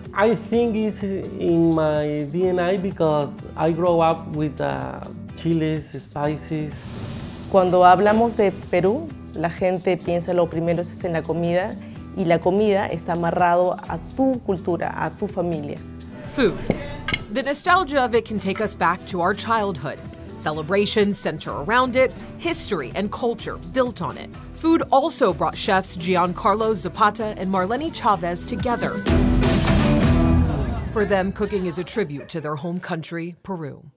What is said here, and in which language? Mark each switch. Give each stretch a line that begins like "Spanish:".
English: I think it's in my DNA because I grew up with chiles, spices.
Spanish: Cuando hablamos de Perú, la gente piensa lo primero es en la comida, y la comida está amarrado a tu cultura, a tu familia.
English: Food. The nostalgia of it can take us back to our childhood. Celebrations center around it, history and culture built on it. Food also brought chefs Giancarlo Zapata and Marlene Chavez together. For them, cooking is a tribute to their home country, Peru.